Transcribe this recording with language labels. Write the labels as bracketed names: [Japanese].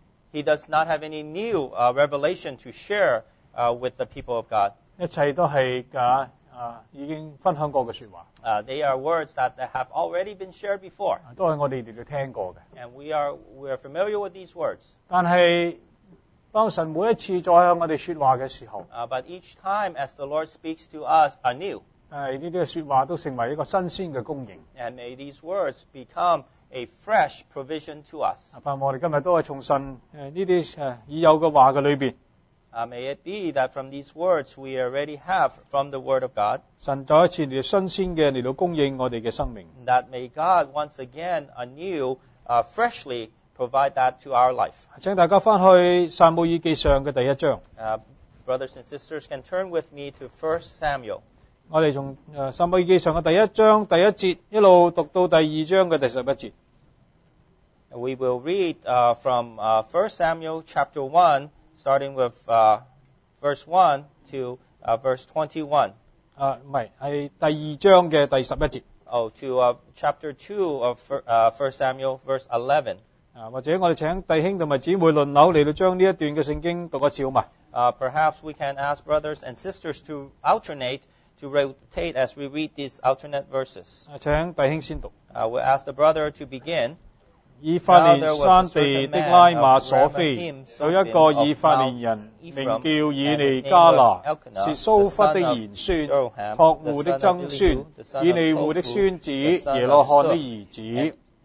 [English] He does not have any new revelation to share with the people of God. [Chinese] 一切都是已经分享过的说话。 [English] They are words that have already been shared before. [Chinese] 都是我们来听过的。 [English] And we are familiar with these words. [Chinese] 但是当神每一次再向我们说话的时候。 [English] But each time as the Lord speaks to us anew. [Chinese] 这些说话都成为一个新鲜的供应。 [English] And may these words become a fresh provision to us. [Chinese] 盼望我们今天都是从神这些已有的话的里面。 [English] May it be that from these words we already have from the word of God. [Chinese] 神再一次来新鲜的来供应我们的生命。 [English] That may God once again anew, freshly provide that to our life. [Chinese] 请大家回去撒母耳记上的第一章。 [English] Brothers and sisters can turn with me to 1 Samuel. [Chinese] 我哋从撒母耳记上嘅第一章第一节一路读到第二章嘅第十一节。 [English] We will read from 1 Samuel chapter 1, starting with verse 1 to verse 21. [Chinese] 唔系，系第二章嘅第十一节。 [English] Oh, to chapter 2 of 1 Samuel verse 11. [Chinese] 或者我哋请弟兄同埋姊妹轮流嚟到将呢一段嘅圣经读一次好嘛？ [English] Perhaps we can ask brothers and sisters to alternate. To rotate as we read these alternate verses. [Chinese] 请弟兄先读。 [English] We'll ask the brother to begin. [Chinese] 以法蓮山地的拉馬所非，有一個以法蓮人名叫以利加拿，是蘇弗的賢孫，托户的曾孫，以利户的孫子，耶洛翰的兒子。